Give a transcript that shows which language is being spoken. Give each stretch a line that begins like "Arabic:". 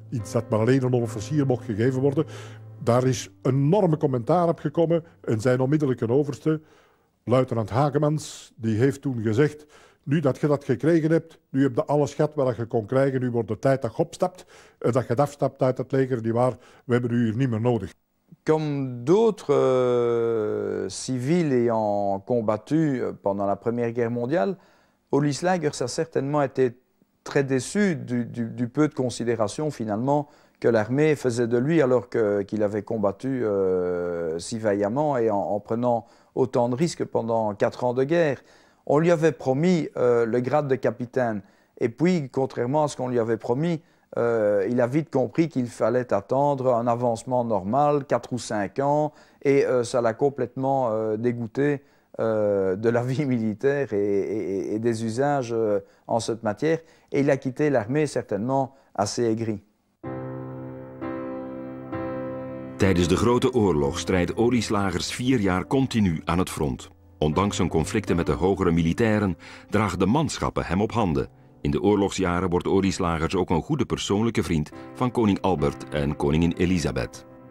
Dutch: Iets dat maar alleen een officier mocht gegeven worden. Daar is enorme commentaar op gekomen en zijn onmiddellijke overste, luitenant Hagemans, die heeft toen gezegd: nu dat je dat gekregen hebt, nu heb je alles gehad wat je kon krijgen, nu wordt het tijd dat je opstapt en dat je afstapt uit het leger, niet waar, we hebben u hier niet meer nodig.
French: Comme d'autres civils ayant combattu pendant la Première Guerre mondiale, Olieslagers a certainement été très déçu du peu de considération finalement que l'armée faisait de lui alors qu'il avait combattu si vaillamment et en prenant autant de risques pendant 4 ans de guerre. On lui avait promis le grade de capitaine et puis, contrairement à ce qu'on lui avait promis, il a vite compris qu'il fallait attendre un avancement normal, 4 ou 5 ans, et ça l'a complètement dégoûté de la vie militaire et des usages en cette matière. Et il a quitté l'armée certainement assez aigri.
Dutch: Tijdens de grote oorlog strijdt Olieslagers 4 jaar continu aan het front. Ondanks zijn conflicten met de hogere militairen dragen de manschappen hem op handen. In de oorlogsjaren wordt Olieslagers ook een goede persoonlijke vriend van koning Albert en koningin Elisabeth.